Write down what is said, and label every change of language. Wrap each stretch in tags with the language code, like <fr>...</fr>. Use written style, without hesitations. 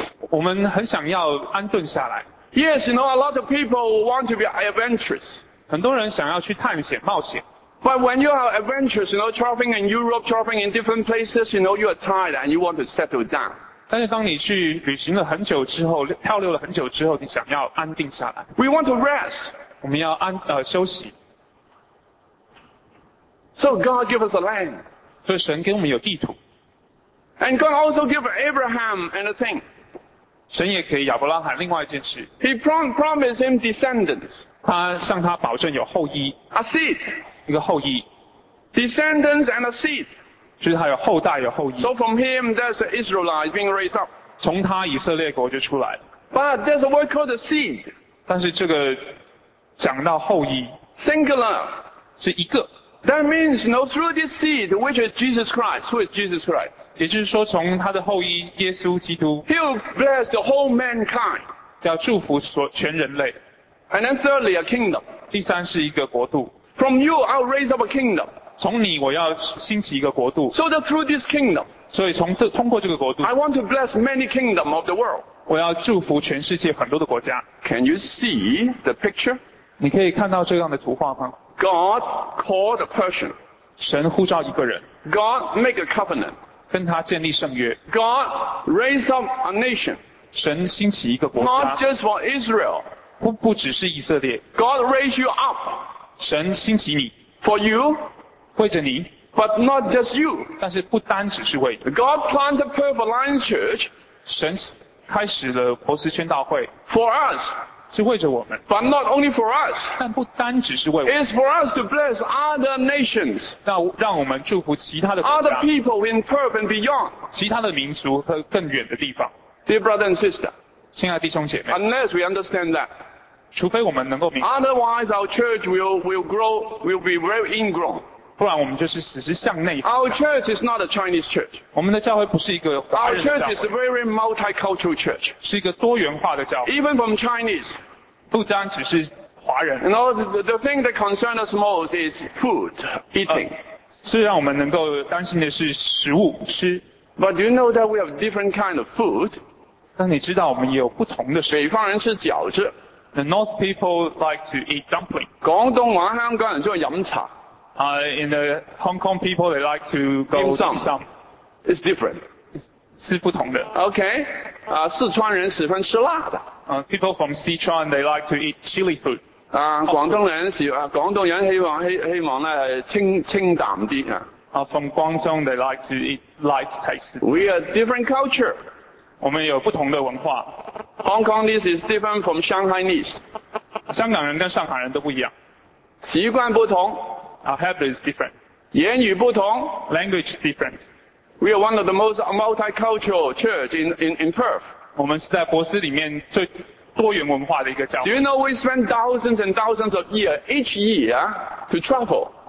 <zh>我们很想要安顿下来。</zh> <en>Yes, you know, a lot of people want to be adventurous.</en> <zh>很多人想要去探险冒险。</zh> <en>But when you are adventurous, you know, traveling in Europe, traveling in different places, you know, you are tired and you want to settle down.</en> <zh>但是当你去旅行了很久之后，漂流了很久之后，你想要安定下来。</zh> <en>We want to rest.</en> <zh>我们要休息。</zh> <en>So God give us a land.</en> <zh>所以神给我们有地图。</zh> <en>And God also give Abraham anything.</en> <zh>神也给亚伯拉罕另外一件事。</zh> <en>He promised him descendants.</en> <zh>他向他保证有后裔。</zh> <en>A seed.</en> <zh>一个后裔</zh> <en>descendants and a seed</en> <zh>就是他有后代有后裔</zh> <en>so from him there's an Israelite being raised up</en> <zh>从他以色列国就出来</zh> <en>but there's a word called a seed</en> <zh>但是这个讲到后裔</zh> <en>singular</en> <zh>是一个</zh> <en>that means you know, through this seed which is Jesus Christ who is Jesus Christ</en> <zh>也就是说从他的后裔耶稣基督</zh> <en>he'll bless the whole mankind</en> <zh>要祝福全人类</zh> <en>and then thirdly a kingdom</en> <zh>第三是一个国度</zh> <en>From you, I'll raise up a kingdom.</en> <zh>从你我要兴起一个国度。</zh> <en>So that through this kingdom,</en> <zh>所以通过这个国度</zh> <en>I want to bless many kingdoms of the world.</en> <zh>我要祝福全世界很多的国家。</zh> <en>Can you see the picture?</en> <zh>你可以看到这样的图画吗</zh> <en>God called a person.</en> <zh>神呼召一个人。</zh> <en>God make a covenant.</en> <zh>跟他建立圣约。</zh> <en>God raise up a nation.</en> <zh>神兴起一个国家。</zh> <en>Not just for Israel.</en> <zh>不只是以色列。</zh> <en>God raise you up.</en> <zh>神兴起你</zh> <en>for you</en> <zh>为着你</zh> <en>but not just you</en> <zh>但是不单只是为你</zh> <en>God planted Perth Alliance Church</en> <zh>神开始了博斯宣道会</zh> <en>for us</en> <zh>是为着我们</zh> <en>but not only for us</en> <zh>但不单只是为我们</zh> <en>it's for us to bless other nations</en> <zh>让我们祝福其他的国家</zh> <en>other people in Perth and beyond</en> <zh>其他的民族和更远的地方</zh> <en>dear brother and sister</en> <zh>亲爱的弟兄姐妹</zh> <en>unless we understand that</en> <zh>除非我们能够明白</zh> <en>Otherwise our church will grow will be very ingrown</en> <zh>不然我们就是只是向内</zh> <en>Our church is not a Chinese church</en> <zh>我们的教会不是一个华人的教会</zh> <en>Our church is a very multicultural church</en> <zh>是一个多元化的教会</zh> <en>Even from Chinese</en> <zh>不单只是华人</zh> <en>You know, the thing that concerns us most is food, eating</en> <zh>是让我们能够担心的是食物吃</zh> <en>But do you know that we have different kind of food</en> <zh>但你知道我们有不同的食物北方人吃饺子</zh> <en>The North people like to eat dumpling.</en> <zh>广东话香港人喜欢饮茶。</zh> <en>In the Hong Kong people, they like to go dim sum. It's different.</en> <zh>是不同的。 Okay. 四川人喜欢吃辣的。</zh> <en>People from Sichuan, they like to eat chili food.</en> <zh>广东人希望呢清淡啲。</zh> <en>From Guangdong, they like to eat light taste. We are different culture.</en> <zh>我们有不同的文化。</zh> <en>Hong Kongese is different from Shanghainese.</en> <zh>香港人跟上海人都不一样。习惯不同。</zh> <en>Our habit is different.</en> <zh>言语不同。</zh> <en>Language is different. We are one of the most multicultural church in Perth.</en> <zh>我们是在博斯里面最多元文化的一个教会。</zh> <en>Do you know we spend thousands and thousands of years each year to travel?</en>